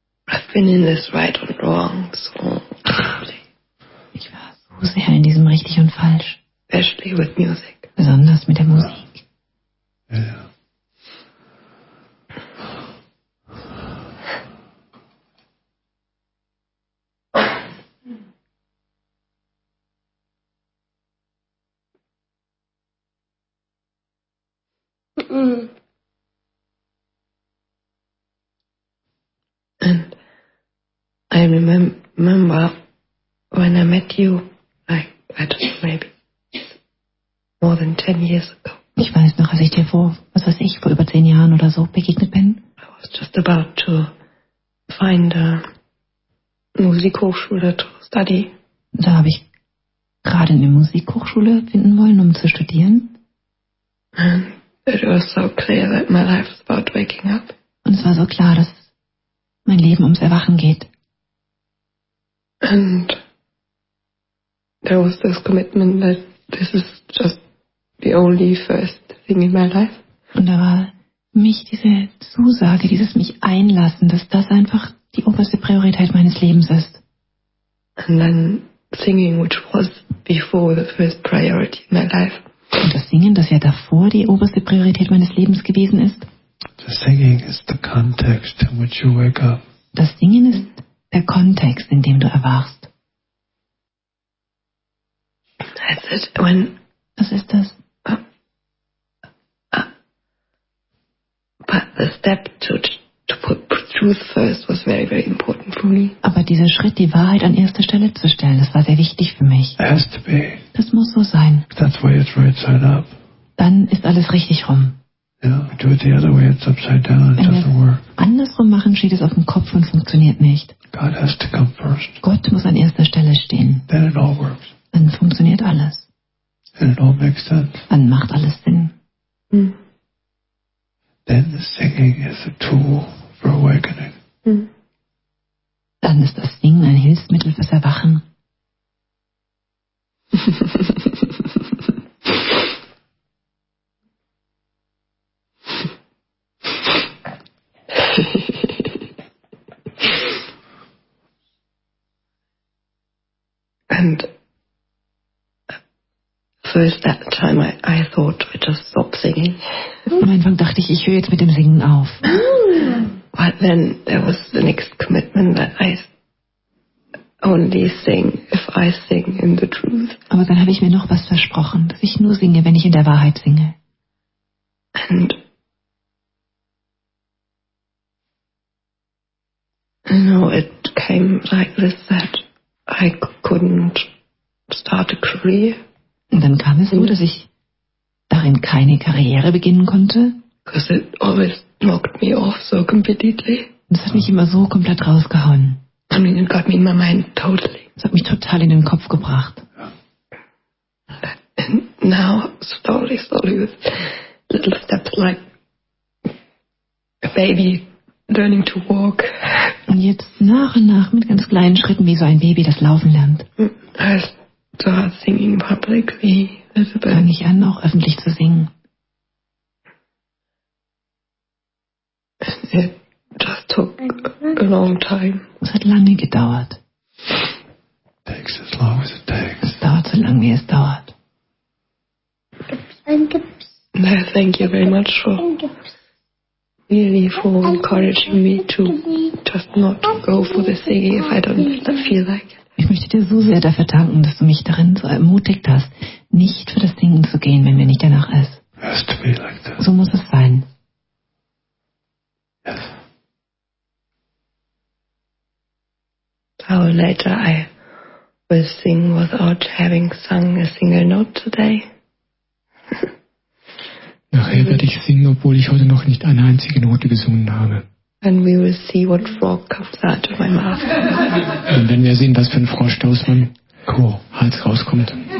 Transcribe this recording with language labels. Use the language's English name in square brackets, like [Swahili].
[English] I've been in this right and wrong so deeply. [German] Ich war so sehr in diesem richtig und falsch. [English] Especially with music. [German] Besonders mit der Musik. [English] Remember when I met you, like, I don't know, maybe more than 10 years ago. [German] Ich weiß noch, als ich dir vor, was weiß ich, vor über 10 Jahren oder so begegnet bin. [English] I was just about to find a Musikhochschule to study. [German] Da habe ich gerade eine Musikhochschule finden wollen, um zu studieren. [English] And it was so clear that my life is about waking up. [German] Und es war so klar, dass mein Leben ums Erwachen geht. [English] And there was this commitment that this is just the only first thing in my life. [German] Und da war mich diese Zusage, dieses mich einlassen, dass das einfach die oberste Priorität meines Lebens ist. [English] And then singing, which was before the first priority in my life. [German] Und das Singen, das ja davor die oberste Priorität meines Lebens gewesen ist. [English] The singing is the context in which you wake up. [German] Das Singen ist der Kontext, in dem du erwachst. [English] That's it. When, [German] was ist das? [English] But the step to put truth first was very, very important for me. [German] Aber dieser Schritt, die Wahrheit an erster Stelle zu stellen, das war sehr wichtig für mich. [English] It has to be. [German] Das muss so sein. [English] That's why it's right side up. [German] Dann ist alles richtig rum. [English] Yeah, do it the other way, it's upside down, it doesn't work. [German] Andersrum machen, steht es auf dem Kopf und funktioniert nicht. [English] God has to come first. [German] Gott muss an erster Stelle stehen. [English] Then it all works. [German] Dann funktioniert alles. [English] And it all makes sense. [German] Dann macht alles Sinn. Mm. [English] Then the singing is a tool for awakening. Mm. [German] Dann ist das Singen ein Hilfsmittel fürs Erwachen. [English] And first that time I thought I just stopped singing. [German] Am Anfang dachte ich höre jetzt mit dem Singen auf. [English] But then there was the next commitment that I only sing if I sing in the truth. [German] Aber dann habe ich mir noch was versprochen, dass ich nur singe, wenn ich in der Wahrheit singe. [English] And became like this that I couldn't start a career. [German] Und dann kam es so, dass ich darin keine Karriere beginnen konnte. [English] Because it always knocked me off so completely. [German] Und es hat mich immer so komplett rausgehauen. [English] I mean, it got me in my mind totally. [German] Es hat mich total in den Kopf gebracht. [English] And now, slowly, slowly, with little steps like a baby learning to walk. [German] Und jetzt nach und nach mit ganz kleinen Schritten, wie so ein Baby, das laufen lernt. [English] I start singing publicly. [German] Fange ich an, auch öffentlich zu singen. [English] It just took a long time. [German] Es hat lange gedauert. [English] Takes as long as it takes. [German] Es dauert so lange, wie es dauert. [English] No, thank you very much for really for encouraging me to just not go for the singing if I don't feel like it. [German] Ich möchte dir so sehr dafür danken, dass du mich darin so ermutigt hast, nicht für das Singen zu gehen, wenn mir nicht danach ist. [English] It has to be like that. [German] So muss es sein. [English] Yes. Hour later I will sing without having sung a single note today. [German] Nachher werde ich singen, obwohl ich heute noch nicht eine einzige Note gesungen habe. [English] And we will see what frog comes out of my mouth. [German] Und wenn wir sehen, was für ein Frosch da aus meinem Hals rauskommt.